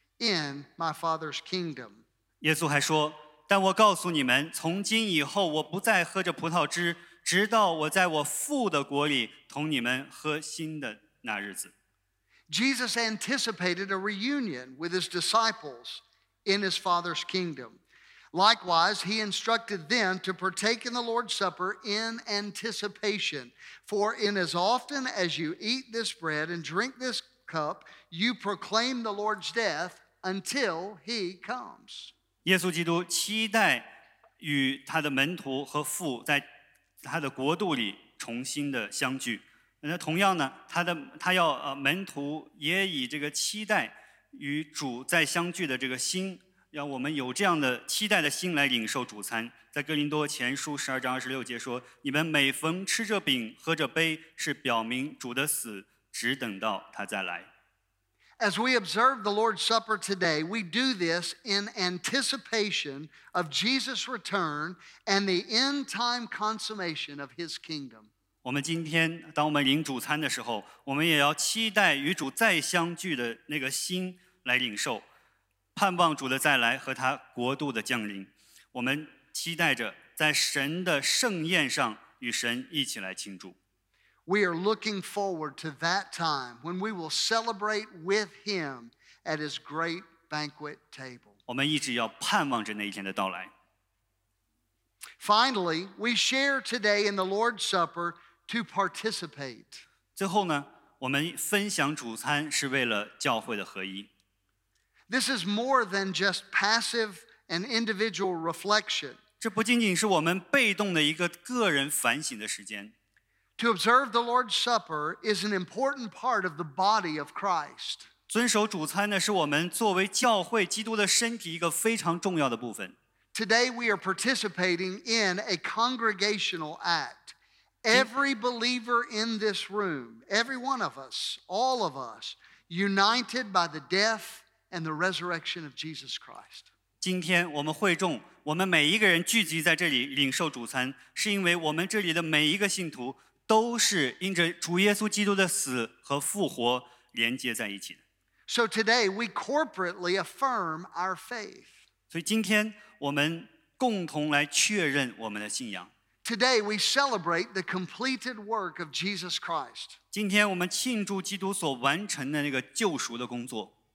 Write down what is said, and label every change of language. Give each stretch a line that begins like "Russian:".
English: in my Father's kingdom.
Chinese: 耶稣还说，但我告诉你们，从今以后我不再喝着葡萄汁，直到我在我父的国里同你们喝新的那日子。
English: Jesus anticipated a reunion with his disciples in his Father's kingdom. Likewise, he instructed them to partake in the Lord's Supper in anticipation. For in as often as you eat this bread and drink this cup, you proclaim the Lord's death until he comes.
Chinese: 耶稣基督期待与他的门徒和父在他的国度里重新的相聚。那同样呢，他要门徒也以这个期待与主再相聚的这个心，让我们有这样的期待的心来领受主餐。在哥林多前书十二章二十六节说，你们每逢吃着饼喝着杯，是表明主的死，只等到他再来。
English: As we observe the Lord's Supper today, we do this in anticipation of Jesus' return and the end-time consummation of his kingdom.
Chinese: 我们今天当我们领主餐的时候，我们也要期待与主再相聚的那个心来领受，盼望主的再来和他国度的降临。我们期待着在神的圣宴上与神一起来庆祝。
English: We are looking forward to that time when we will celebrate with him at his great banquet table.
Chinese: 我们一直要盼望着那一天的到来。
English: Finally, we share today in the Lord's Supper to participate.
Chinese: 最后呢，我们分享主餐是为了教会的合一。
English: This is more than just passive and individual reflection.
Chinese: 这不仅仅是我们被动的一个个人反省的时间。
English: To observe the Lord's Supper is an important part of the body of Christ.
Chinese: 遵守主餐呢，是我们作为教会基督的身体一个非常重要的部分。
English: Today we are participating in a congregational act. Every believer in this room, every one of us, all of us, united by the death and the resurrection of Jesus Christ.
Chinese: 今天我们会众，我们每一个人聚集在这里领受主餐，是因为我们这里的每一个信徒都是因着主耶稣基督的死和复活连接在一起的。
English: So today we corporately affirm our faith.
Chinese: 所以今天我们共同来确认我们的信仰。
English: Today we celebrate the completed work of Jesus Christ.
Chinese: 今天我们庆祝基督所完成的那个救赎的工作。